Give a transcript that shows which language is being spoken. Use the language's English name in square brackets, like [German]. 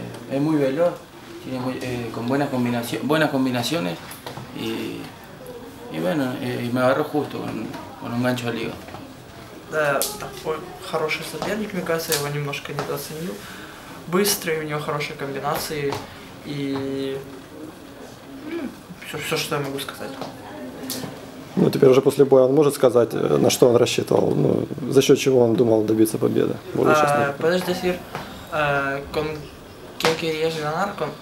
[Spanish] Es muy veloz, tiene muy, con buenas combinaciones y bueno, y me agarró justo con un gancho al hígado. [Russian] Да, такой хороший соперник, мне кажется, я его немножко недооценил. Быстрый, у него хорошие комбинации и все, что я могу сказать. Ну, теперь уже после боя он может сказать, на что он рассчитывал, ну, за счет чего он думал добиться победы? Подожди, [Spanish] Сир, con quién querías ganar?